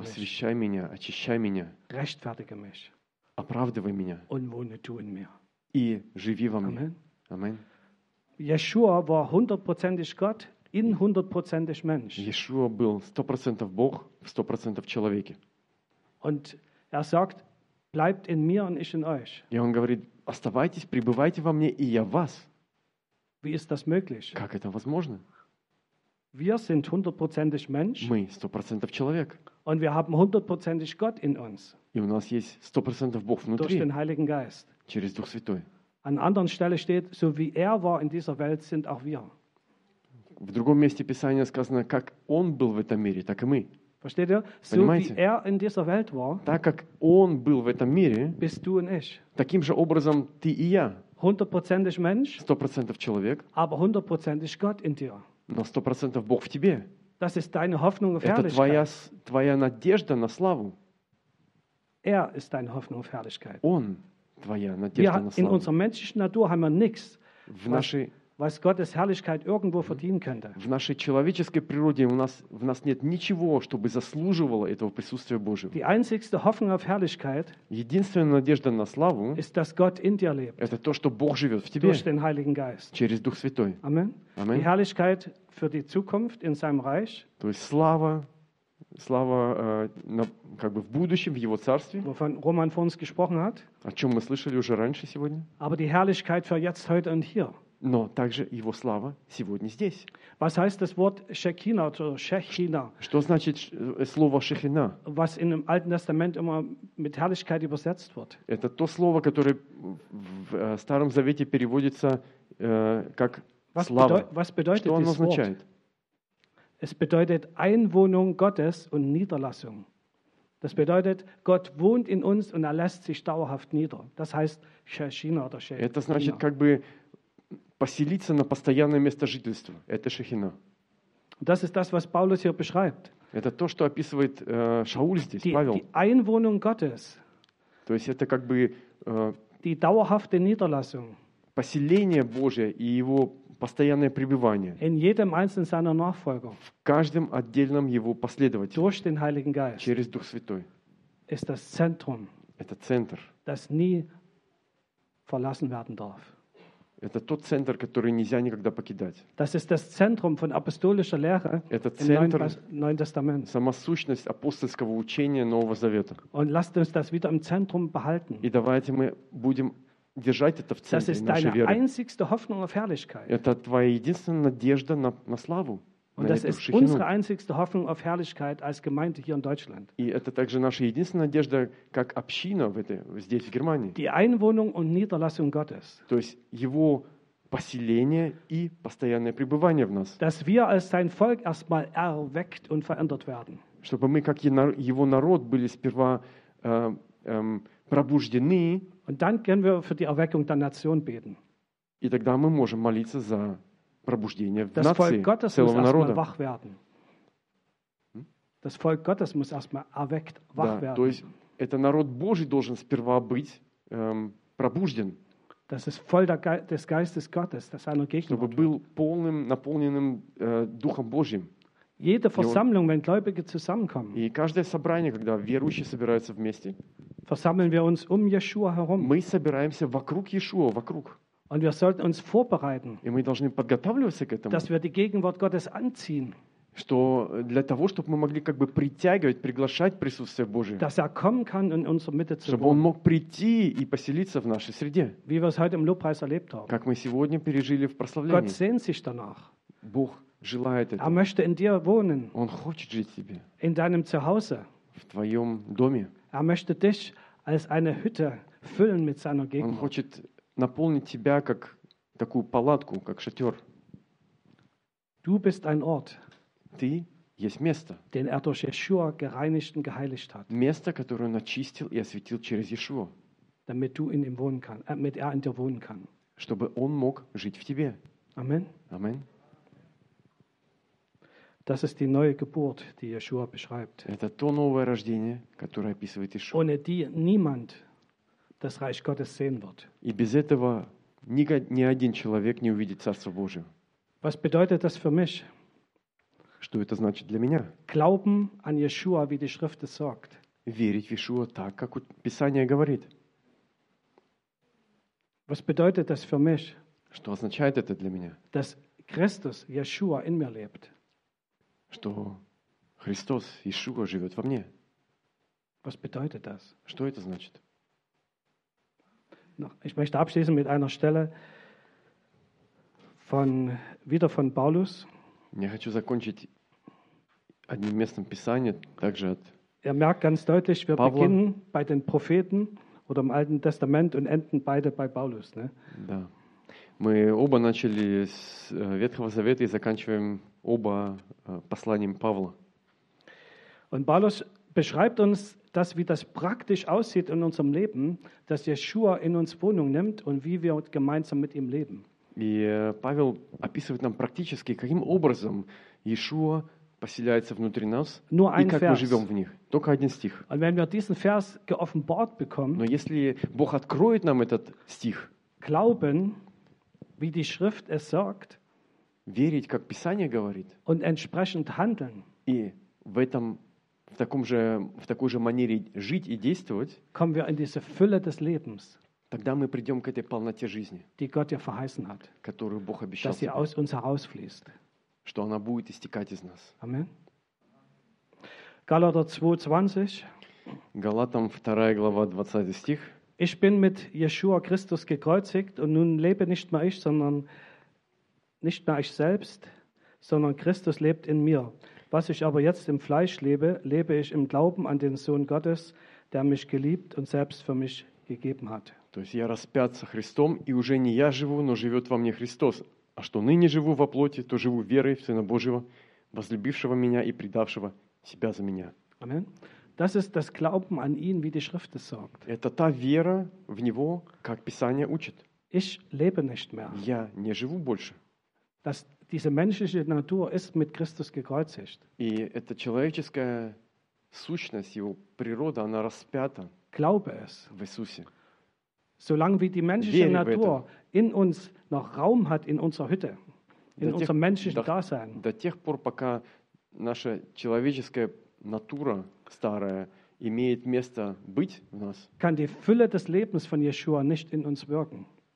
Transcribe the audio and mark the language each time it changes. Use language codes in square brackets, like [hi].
[ru] Освящай меня, очищай меня. [de] Rechtfertige mich. [ru] Оправдывай меня. [de] Und wohne du in mir. [ru] И живи во мне. [de] Amen. Yeshua war 100% Gott in 100% Mensch. [ru] Yeshua был 100% Бог в 100% человеке. [de] Und er sagt, bleibt in mir und ich in euch. [ru] И он говорит: оставайтесь, пребывайте во мне, и я в вас. [de] Wie ist das möglich? [ru] Как это возможно? [de] Wir sind 100% Mensch. [ru] Мы 100% человек. [de] Und wir haben 100% Gott in uns. [ru] И у нас есть 100% Бог внутри. [de] Durch den Heiligen Geist. [ru] Через Дух Святой. [de] An anderen Stelle steht, so wie er war in dieser Welt, sind auch wir. [ru] В другом месте Писания сказано, как он был в этом мире, так и мы. [de] Versteht ihr? So wie er in dieser Welt war. [ru] Так как он был в этом мире. [de] Bist du und ich. [ru] Таким же образом ты и я. [de] 100% Mensch. [ru] 100% человек. [de] Aber 100% Gott in dir. [ru] Но 100% Бог в тебе. [de] Das ist deine Hoffnung auf [ru] Herrlichkeit. Это твоя надежда на славу. [de] Er ist deine Hoffnung auf Herrlichkeit. [ru] Он твоя надежда на славу. [de] In unserer menschlichen Natur haben wir nichts. Was Gottes Herrlichkeit irgendwo verdienen könnte. [ru] В нашей человеческой природе у нас нет ничего, чтобы заслуживало этого присутствия Божьего. [de] Die einzigste Hoffnung auf Herrlichkeit. [ru] Единственная надежда на славу. [de] Ist, dass Gott in dir lebt. [ru] Это то, что Бог живет в тебе. [de] Durch den Heiligen Geist. [ru] Через Дух Святой. [de] Amen. [ru] Amen. [de] Die Herrlichkeit für die Zukunft in seinem Reich. [ru] То есть слава как бы в будущем, в его царстве. [de] Wovon Roman von uns gesprochen hat. [ru] О чем мы слышали уже раньше сегодня. [de] Aber die Herrlichkeit für jetzt, heute und hier. [ru] Но также его слава сегодня здесь. [de] Was heißt das Wort Shekina, also Shekina? [ru] Что значит слово Шехина? [de] Was in dem Alten Testament immer mit Herrlichkeit übersetzt wird. [ru] Это то слово, которое в Старом Завете переводится как [de] was [ru] слава. [de] Was bedeutet [ru] что оно означает? [de] Es bedeutet Einwohnung Gottes und Niederlassung. Das bedeutet, Gott wohnt in uns und er lässt sich dauerhaft nieder. Das heißt Shekina oder Shekina. [ru] Это значит как бы поселиться на постоянное место жительства. Это Шехина. [de] Das ist das, was Paulus hier beschreibt. [ru] Это то, что описывает Шауль здесь, [de] Павел. Die Einwohnung Gottes. [ru] То есть это как бы [de] die dauerhafte Niederlassung. [ru] Поселение Божие и его постоянное пребывание. [de] In jedem einzelnen seiner Nachfolger. [ru] В каждом отдельном его последователе. [de] Durch den Heiligen Geist. [ru] Через Дух Святой. [de] Ist das Zentrum. [ru] Это центр. [de] Das nie verlassen werden darf. [ru] Это тот центр, который нельзя никогда покидать. [de] Das ist das Zentrum von apostolischer Lehre. [ru] Это центр [de] Neuen Testament. [ru] Сама сущность апостольского учения Нового Завета. [de] Und lasst uns das wieder im Zentrum behalten. [ru] И давайте мы будем держать это в центре нашей веры. [de] Das ist deine einzigste Hoffnung auf Herrlichkeit. [ru] Это твоя единственная надежда на славу. [de] Und das ist unsere einzigste Hoffnung auf Herrlichkeit als Gemeinde hier in Deutschland. [ru] И это также наша единственная надежда как община в этой здесь в Германии. [de] Die Einwohnung und Niederlassung Gottes. [ru] То есть его поселение и постоянное пребывание в нас. [de] Dass wir als sein Volk erstmal erweckt und verändert werden. [ru] Чтобы мы как его народ были сперва пробуждены. [de] Und dann können wir für die Erweckung der Nation beten. [ru] И тогда мы можем молиться за пробуждение в нации, целого народа. [de] Wach werden. Das Volk Gottes muss erstmal erweckt, wach werden. [ru] То есть это народ Божий должен сперва быть пробужден. [de] Das ist voll des Geistes Gottes, das seiner Gegenwart. [ru] Чтобы был полным, наполненным Духом Божьим. [de] Jede Versammlung, wenn Gläubige zusammenkommen. [ru] И каждое собрание, когда верующие собираются вместе. [de] Versammeln wir uns Yeshua herum. [ru] Мы собираемся вокруг Yeshua, вокруг. [de] Und wir sollten uns vorbereiten. [ru] И мы должны подготавливаться к этому. [de] Dass wir die Gegenwart Gottes anziehen. [ru] Что для того, чтобы мы могли как бы притягивать, приглашать присутствие Божие. [de] Dass er kommen kann in unserer Mitte zu. [ru] Чтобы он мог прийти и поселиться в нашей среде. [de] Wie wir es heute im Lobpreis erlebt haben. [ru] Как мы сегодня пережили в прославлении. [de] Gott sehnt sich danach. [ru] Бог желает этого. [de] Er möchte in dir wohnen. [ru] Он хочет жить в тебе. [de] In deinem Zuhause. [ru] В твоем доме. [de] Er möchte dich als eine Hütte füllen mit seiner Gegenwart. [ru] Он хочет наполнить тебя как такую палатку, как шатер. [de] Du bist ein Ort. [ru] Ты есть место. [de] Den er durch Yeshua gereinigt und geheiligt hat. [ru] Место, которое он очистил и осветил через Yeshua. [de] Damit du in ihm wohnen kann, damit er in dir wohnen kann. [ru] Чтобы он мог жить в тебе. [de] Amen. [ru] Amen. [de] Das ist die neue Geburt, die Yeshua beschreibt. [ru] Это то новое рождение, которое описывает Yeshua. [de] Ohne die niemand. das Reich Gottes sehen wird. [ru] И без этого ни один человек не увидит Царство Божие. [de] Was bedeutet das für mich? [ru] Что это значит для меня? [de] Glauben an Yeshua, wie die Schrift es sagt. [ru] Верить в Иешуа так, как Писание говорит. [de] Was bedeutet das für mich? [ru] Что означает это для меня? [de] Dass Christus, Yeshua, in mir lebt. [ru] Что Христос, Иешуа, живет во мне. [de] Was bedeutet das? [ru] Что это значит? [de] Ich möchte abschließen mit einer Stelle von wieder von Paulus. [ru] Я хочу закончить одним местом Писания, также от [de] Er merkt ganz deutlich, wir Павла. Beginnen bei den Propheten oder im Alten Testament und enden beide bei Paulus. Ne? [ru] Да. Мы оба начали с Ветхого Завета и заканчиваем оба посланием Павла. [de] Und Paulus beschreibt uns, dass wie das praktisch aussieht in unserem Leben, dass Yeshua in uns Wohnung nimmt und wie wir gemeinsam mit ihm leben. [ru] И Павел описывает нам практически, каким образом Иешуа поселяется внутри нас [de] Nur [ru] и как [de] Vers. [ru] Мы живем в них. Только один стих. [de] Und wenn wir diesen Vers geoffenbart bekommen, [ru] Но если Бог откроет нам этот стих, [de] glauben, wie die Schrift es sagt, [ru] верить, как Писание говорит, [de] und entsprechend handeln, [ru] и в этом в такой же манере жить и действовать, [de] kommen wir in diese Fülle des Lebens, [ru] тогда мы придем к этой полноте жизни, [de] die Gott ja verheißen hat, [ru] которую Бог обещал, [de] dass sie aus uns herausfließt. [ru] Что она будет истекать из нас. [de] Amen. Galater 2:20. [ru] Галатам 2 глава 20 стих. [de] Ich bin mit Yeshua Christus gekreuzigt und nun lebe nicht mehr ich, sondern nicht mehr ich selbst, sondern Christus lebt in mir. Was ich aber jetzt im Fleisch lebe, lebe ich im Glauben an den Sohn Gottes, der mich geliebt und selbst für mich gegeben hat. [ru] То есть я распят со Христом и уже не я живу, но живет во мне Христос. А что ныне живу во плоти, то живу верой в Сына Божьего, возлюбившего меня и предавшего себя за меня. [de] Amen. Das ist das Glauben an ihn, wie die Schrift es sagt. [ru] Это та вера в него, как Писание учит. [de] Ich lebe nicht mehr. [ru] Я не живу больше. [de] Dass diese menschliche Natur ist mit Christus gekreuzigt. [ru] И эта человеческая сущность, его природа, она распята. [de] Glaube es. [ru] В Иисусе. [de] Solange wie die menschliche [ru] Верь [de] Natur in uns noch Raum hat in unserer Hütte, in до unserem menschlichen Dasein. [ru] До тех пор, пока наша человеческая натура старая имеет место быть в нас. [de] Kann die Fülle des Lebens von Yeshua nicht in uns wirken.